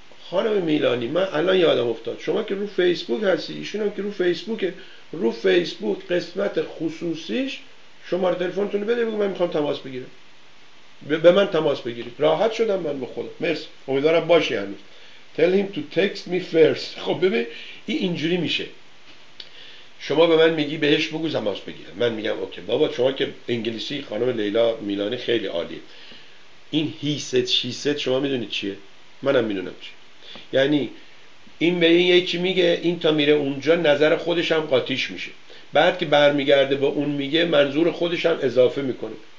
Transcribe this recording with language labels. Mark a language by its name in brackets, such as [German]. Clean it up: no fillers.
[Persian] خانم میلانی من الان یادم افتاد، شما که رو فیسبوک هستی، ایشون هم که رو فیسبوکه، رو فیسبوک قسمت خصوصیش شماره تلفنتون رو بده بگو من میخوام تماس بگیرم، به من تماس بگیرید. راحت شدم من به خودم، مرسی، امیدوارم باشی همین. [English] Tell him to text me first. [Persian] خب ببین اینجوری میشه، شما به من میگی بهش بگو تماس بگیره، من میگم اوکی بابا، شما که انگلیسی خانم لیلا میلانی خیلی عالیه، این [English] he said she said [Persian] شما میدونید چیه؟ منم میدونم چیه. یعنی این به این یکی میگه، این تا میره اونجا نظر خودش هم قاطیش میشه، بعد که برمیگرده با اون میگه منظور خودش هم اضافه میکنه.